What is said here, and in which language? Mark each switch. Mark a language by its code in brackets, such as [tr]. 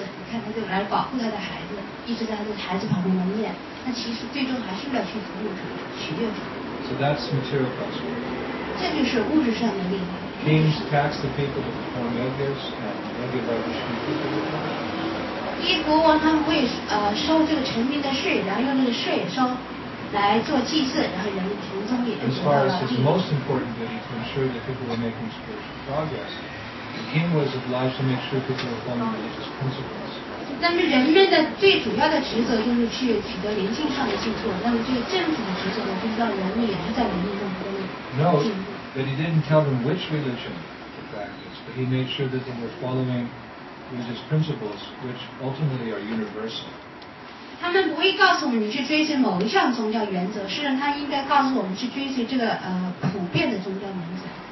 [zh] 你看，她就来保护她的孩子，一直在她的孩子旁边的念。那其实最终还是要去服务主，取悦主。 [en] So that's material prosperity. [zh] 这就是物质上的利益。 [en] Kings tax the people to perform yogas and regular Vishnu people. [zh] 一国王他们会收这个臣民的税，然后用这个税收来做祭祀，然后人们从中也得到了利益。 [en] As far as his most important duty to ensure that people were making spiritual progress, the king was obliged to make sure people were following religious principles. [zh] 但是人们的最主要的职责就是去取得灵性上的进步，那么这个政府的职责呢，就是让人们也是在灵性上不断的进步。 [en] No, but he didn't tell them which religion to practice, but he made sure that they were following. Religious principles, which ultimately are universal. [zh] 他们不会告诉我们去追随某一项宗教原则，实际上他应该告诉我们去追随这个普遍的宗教原则。